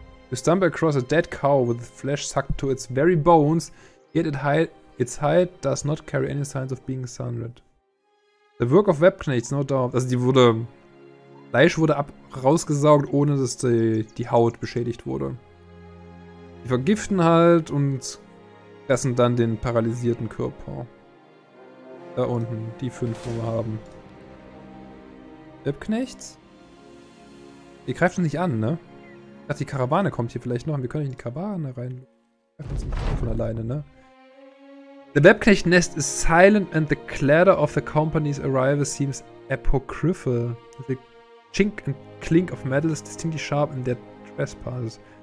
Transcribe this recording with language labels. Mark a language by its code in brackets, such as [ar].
[en] You stumble across a dead cow with flesh sucked to its very bones, yet its hide does not carry any signs of being sundered. The work of Webknechts, no doubt. [de] Also die wurde... Fleisch wurde rausgesaugt, ohne dass die Haut beschädigt wurde. Die vergiften halt und... Das sind dann den paralysierten Körper. Da unten, die 5, wo wir haben. Webknechts? Ihr greift uns nicht an, ne? Ich dachte, die Karawane kommt hier vielleicht noch. Wir können nicht in die Karawane rein. Greift uns nicht von alleine, ne? [en] The Webknecht Nest is silent and the clatter of the company's arrival seems apocryphal. The chink and clink of metal is distinctly sharp in their trespasses.